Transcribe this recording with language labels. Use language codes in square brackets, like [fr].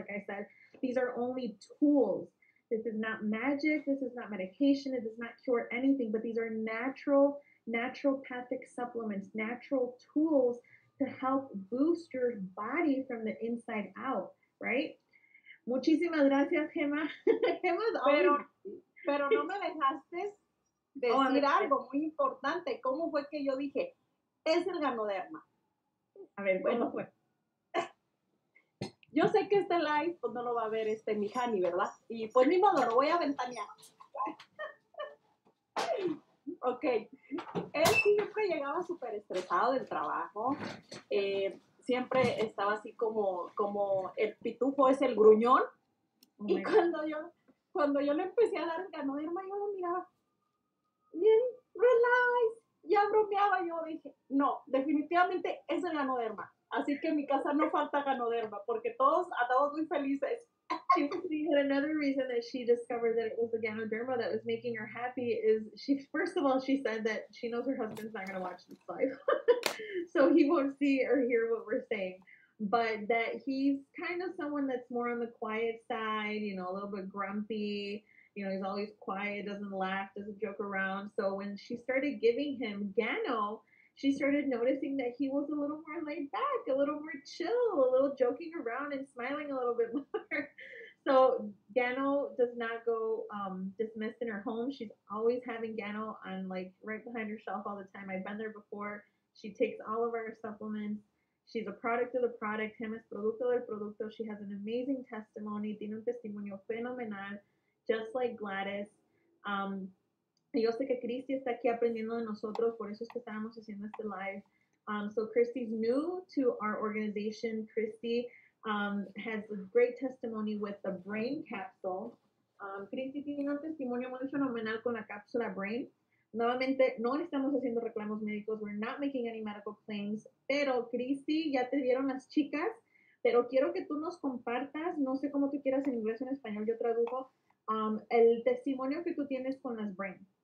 [en] Like I said, these are only tools. This is not magic. This is not medication. It does not cure anything, but these are natural, naturopathic supplements, natural tools to help boost your body from the inside out, right? [es] Muchísimas gracias, Gemma. Gemma's [en] always... [es] Pero no me dejaste decir algo muy importante. ¿Cómo fue que yo dije? Es el Ganoderma. A ver, bueno, fue. Yo sé que este live pues, no lo va a ver este Mijani, ¿verdad? Y pues ni modo, lo voy a ventanear. Ok. Él siempre llegaba súper estresado del trabajo. Siempre estaba así como el pitufo es el gruñón. Oh, y cuando yo le empecé a dar el Ganoderma, yo lo miraba bien relax, ya bromeaba. Yo dije, no, definitivamente es el Ganoderma. Así que en mi casa no falta Ganoderma, porque todos andamos muy felices. [en] She had another reason that she discovered that it was the Ganoderma that was making her happy is, she, first of all, she said that she knows her husband's not going to watch this live, so he won't see or hear what we're saying. But that he's kind of someone that's more on the quiet side, you know, a little bit grumpy, you know, he's always quiet, doesn't laugh, doesn't joke around. So when she started giving him Gano, she started noticing that he was a little more laid back, a little more chill, a little joking around and smiling a little bit more. So Gano does not go dismissed in her home. She's always having Gano on, like, right behind her shelf all the time. I've been there before. She takes all of our supplements. She's a product of the product. Him is [es] producto del producto. [en] She has an amazing testimony. [es] Tiene un testimonio fenomenal, [en] just like Gladys. [es] Yo sé que Christy está aquí aprendiendo de nosotros. Por eso es que estábamos haciendo este live. [en] So Christy's new to our organization. Christy has a great testimony with the brain capsule. [es] Christy tiene un testimonio muy fenomenal con la cápsula brain. Nuevamente, no estamos haciendo reclamos médicos. [en] We're not making any medical claims. [es] Pero, Christy, ya te dieron las chicas. Pero quiero que tú nos compartas. No sé cómo tú quieras en inglés o en español. Yo tradujo el testimonio que tú tienes con las brain.